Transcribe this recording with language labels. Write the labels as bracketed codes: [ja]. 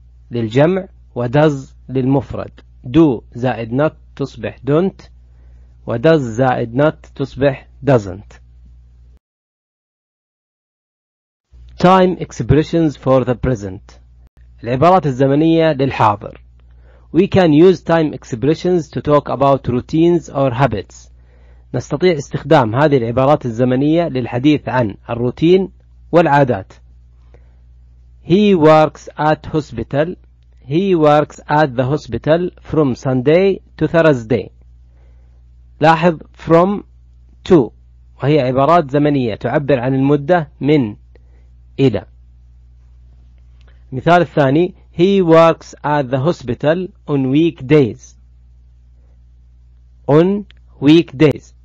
[ar] للجمع و [en] does للمفرد do زائد not تصبح don't و does زائد not تصبح doesn't Time expressions for the present [ar] العبارات الزمنية للحاضر [en] We can use time expressions to talk about routines or habits. [ar] نستطيع استخدام هذه العبارات الزمنية للحديث عن الروتين والعادات. [en] He works at hospital. He works at the hospital from Sunday to Thursday. [ar] لاحظ from to وهي عبارات زمنية تعبر عن المدة من إلى. مثال الثاني [en] He works at the hospital on weekdays. On weekdays.